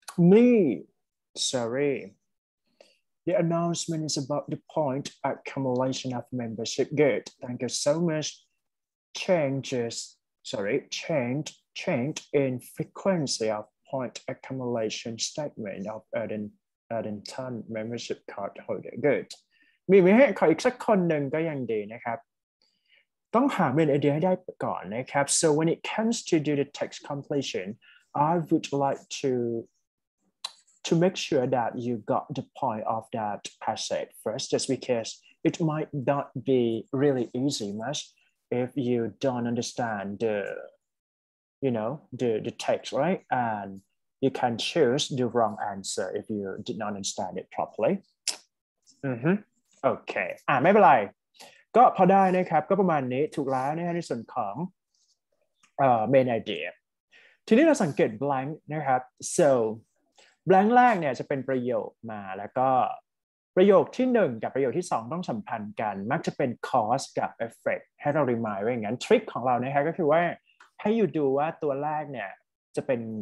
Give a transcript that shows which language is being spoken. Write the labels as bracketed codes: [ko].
[en] Me, sorry. The announcement is about the point accumulation of membership. Good. Thank you so much. Change in frequency of point accumulation statement of earn time membership card holder. Good. [th] มีไหมขออีกสักคนหนึ่งก็ยังดีนะครับต้องหาเป็นไอเดียให้ได้ก่อนนะครับ [en] So when it comes to do the text completion, I would like to make sure that you got the point of that passage first, just because it might not be really easy much if you don't understand the text, right? And you can choose the wrong answer if you did not understand it properly. Mm-hmm. Okay. [th] ไม่เป็นไรก็พอได้นะครับก็ประมาณนี้ถูกแล้วนะในส่วนของmain idea. ทีนี้เราสังเกต blank นะครับ soแบงค์แรกเนี่ยจะเป็นประโยคมาแล้วก็ประโยคที่1กับประโยคที่2ต้องสัมพันธ์กันมักจะเป็น cause กับ effect ให้เรา remind ไว้งั้นทริคของเรานะฮะก็คือว่าให้อยู่ดูว่าตัวแรกเนี่ยจะเป็น